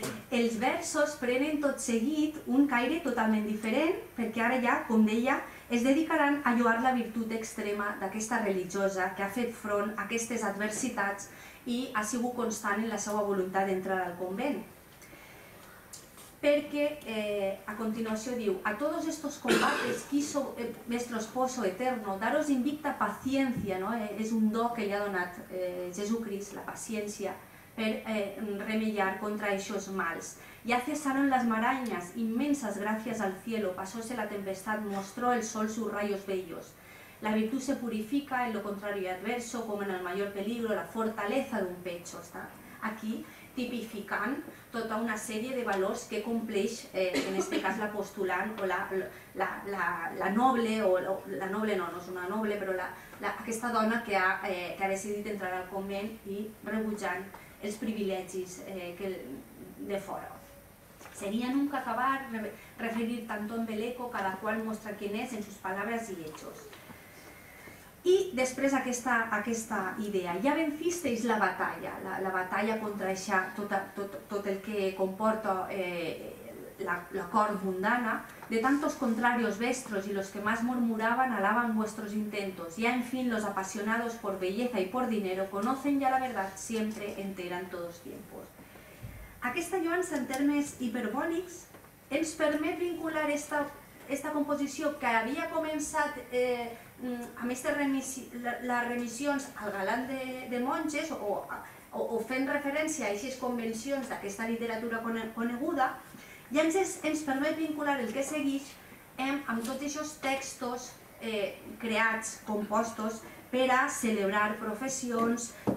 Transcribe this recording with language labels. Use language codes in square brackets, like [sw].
[ca] Els versos prenen tot seguit un caire totalment diferent, perquè ara ja, com deia, es dedicaran a lloar la virtut extrema d'aquesta religiosa que ha fet front a aquestes adversitats i ha sigut constant en la seva voluntat d'entrar al convent. Perquè a continuació diu: [es] a todos estos combates quiso vuestro esposo eterno daros invicta paciencia, [ca] ¿no? És un do que li ha donat Jesucrist, la paciència, per remellar contra aquests mals. [es] Ya cesaron las marañas, inmensas gracias al cielo, pasóse la tempestad, mostró el sol sus rayos bellos. La virtud se purifica en lo contrario y adverso, como en el mayor peligro, la fortaleza de un pecho. [ca] Está aquí tipificant tota una sèrie de valors que compleix, en este cas, la postulant o la noble, o la noble no, no és una noble, però aquesta dona que ha decidit entrar al convent i rebutjant els privilegis de fora. [es] Seria nunca acabar referir tanto en beleco, cada qual mostra quién és en sus palabras y hechos. [ca] I després aquesta idea: ja vencisteis la batalla, la batalla contra això, tot el que comporta la cort mundana, [es] de tantos contrarios vuestros y los que más murmuraban alaban vuestros intentos. Ya en fin los apasionados por belleza y por dinero conocen ya la verdad siempre entera en todos tiempos. [ca] Aquesta lloança en termes hiperbòlics ens permet vincular esta composició que havia començat amb aquestes remissions al galant de monges o fent referència a aquestes convencions d'aquesta literatura coneguda, i ens permet vincular el que segueix amb tots aquests textos creats, compostos, per a celebrar professions